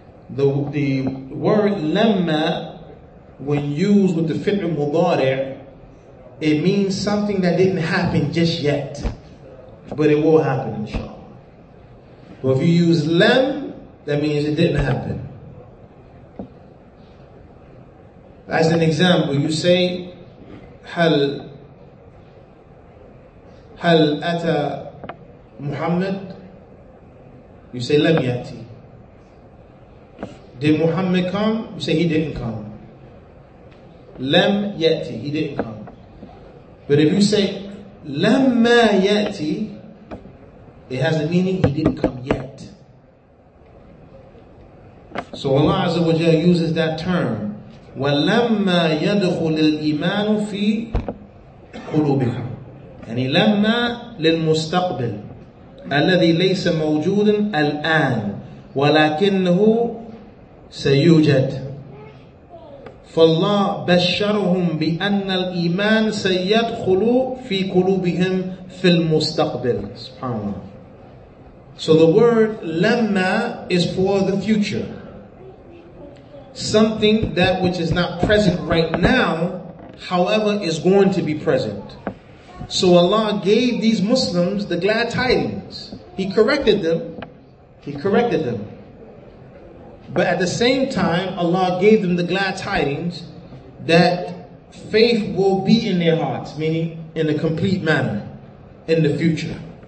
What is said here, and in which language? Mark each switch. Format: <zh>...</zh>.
<en>The word lamma, when used with the fi'l mudari', it means something that didn't happen just yet. But it will happen, inshallah. But if you use lam, that means it didn't happen. As an example, you say,</en> <ar>هل أتى محمد؟</ar> <en>You say</en> <ar>لم يأتي.</ar> <en>Did Muhammad come? You say he didn't come.</en> <ar>لم يأتي,</ar> <en>he didn't come. But if you say</en> <ar>لما يأتي,</ar> <en>it has the meaning he didn't come yet. So Allah Azza wa Jalla uses that term.</en> <ar>ولما يدخل الإيمان في قلوبهم. يعني لما للمستقبل الذي ليس موجود الآن ولكنه سيوجد فالله بشرهم بأن الإيمان سيدخل في قلوبهم في المستقبل سبحان الله.</ar> <en>So the word لما is for the future. Something that which is not present right now, however, is going to be present. So Allah gave these Muslims the glad tidings. He corrected them. He corrected them. But at the same time, Allah gave them the glad tidings that faith will be in their hearts, meaning in a complete manner in the future.</en>